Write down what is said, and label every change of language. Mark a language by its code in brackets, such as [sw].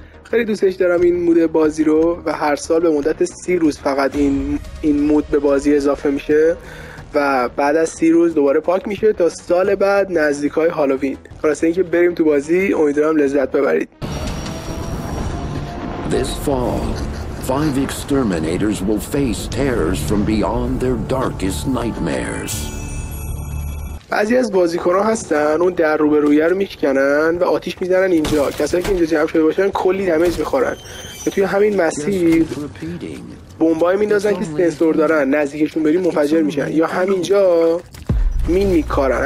[fa] خیلی دوستش دارم این مود بازی رو و هر سال به مدت 30 روز فقط این مود به بازی اضافه میشه و بعد از 30 روز دوباره پاک میشه تا سال بعد نزدیکای هالووین. خلاصه اینکه بریم تو بازی، امیدوارم لذت ببرید. [en] This fall, five exterminators will face terrors from beyond their darkest nightmares. [fa] بعضی از بازیکن‌ها هستن اون در روبروی رو میشکنن و آتیش میزنن اینجا. کسایی که اینجا جمع شده باشن کلی دمیج می‌خورن. توی همین مسیر بمبای میندازن که سنسور دارن، نزدیکشون بریم منفجر میشن. یا همینجا مین میکارن.